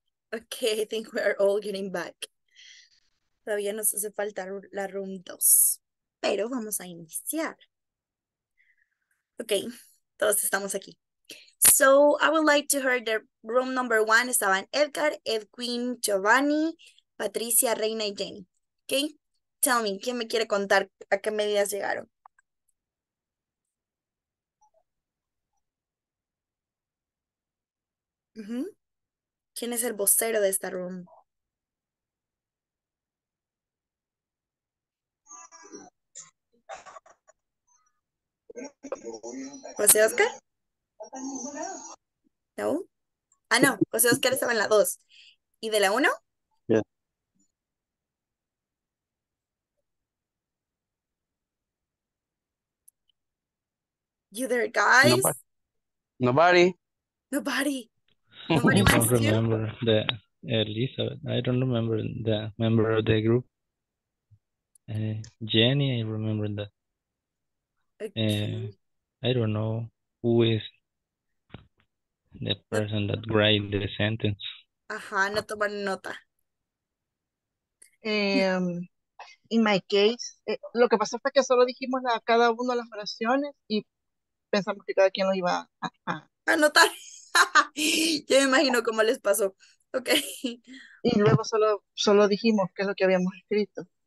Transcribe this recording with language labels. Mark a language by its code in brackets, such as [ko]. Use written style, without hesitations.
[en] Okay, I think we are all getting back. [es] Todavía nos hace falta la room 2. Pero vamos a iniciar. Okay, todos estamos aquí. [en] So, I would like to hear the room number 1. [es] Estaban Edgar, Edwin, Giovanni, Patricia, Reina y Jenny. [en] Okay, tell me, [es] ¿quién me quiere contar a qué medidas llegaron? ¿Quién es el vocero de esta room? ¿José Oscar? ¿No? Ah, no. José Oscar estaba en la 2. ¿Y de la 1? [en] Yeah. You there, guys? Nobody. Nobody. I don't remember the Elizabeth. I don't remember the member of the group. Jenny, I remember that. Okay. I don't know who is the person that write the sentence. [es] Ajá, no tomar nota. [en] In my case, [es] lo que pasó fue que solo dijimos a cada uno las oraciones y pensamos que cada quien lo iba a anotar. Yo me imagino cómo les pasó. Okay. Y luego solo dijimos qué es lo que habíamos escrito.